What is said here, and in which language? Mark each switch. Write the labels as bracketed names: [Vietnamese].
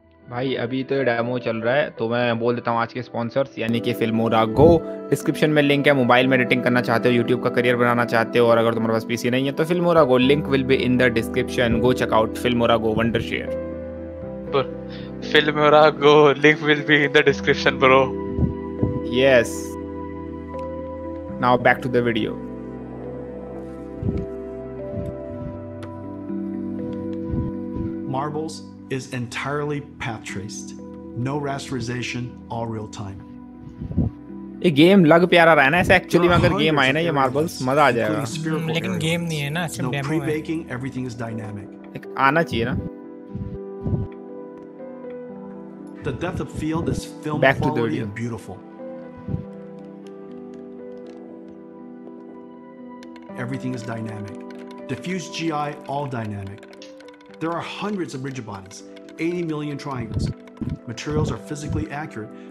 [Hindi] भाई अभी तो डेमो चल रहा है तो मैं बोल देता हूँ आज के स्पॉन्सर्स यानी कि फिल्मोरा गो डिस्क्रिप्शन में लिंक है मोबाइल में एडिटिंग करना चाहते हो यूट्यूब का करियर बनाना चाहते हो और अगर तुम्हारे पास पीसी नहीं है तो Filmora go [English] Link will be in the description go check out Filmora go Wondershare Filmora go link will be in the description bro yes Now back to the video. Marbles is entirely path traced. No rasterization, all real time. [Hindi] ये game लग प्यारा रहा है ना ऐसे actually में अगर game आए ना ये मार्बल्स मजा आ जाएगा लेकिन गेम नहीं है ना सिर्फ डेमो है [English] no prebaking everything is dynamic [Hindi] एक आना चाहिए ना [English] The depth of field is film quality and beautiful everything is dynamic diffuse GI all dynamic there are hundreds of rigid bodies 80 million triangles Materials are physically accurate.